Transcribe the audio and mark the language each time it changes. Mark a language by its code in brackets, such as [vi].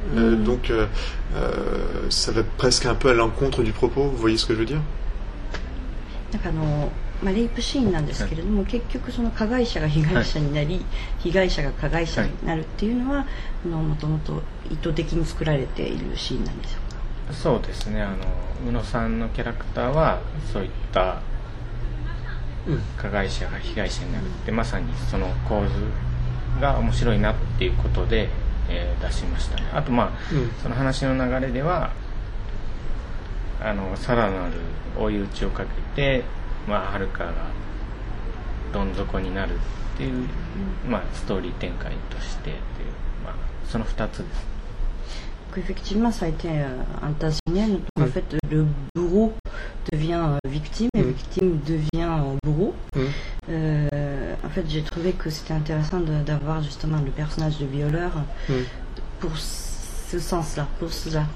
[fr] Donc, ça va presque un peu à l'encontre du propos, vous voyez ce que je veux dire ? [ja] なんかまあ、レイプシーンなんですけれども、結局その加害者が被害者になり、被害者が加害者になるっていうのは、もともと意図的に作られているシーンなんでしょうか？そうですね、宇野さんのキャラクターはそういった加害者が被害者になるって、まさにその構図が面白いなっていうことで出しましたね。あとまあ、その話の流れではさらなる追い打ちをかけて、まあ、はるかがどん底になるっていう、まあ、ストーリー展開としてっていう、まあ、その2つです。 [fr] Effectivement, ça a été intentionnel. En fait, le bourreau devient victime et victime devient bourreau. En fait, j'ai trouvé que c'était intéressant d'avoir justement le personnage de violeur pour ce sens-là, pour cela.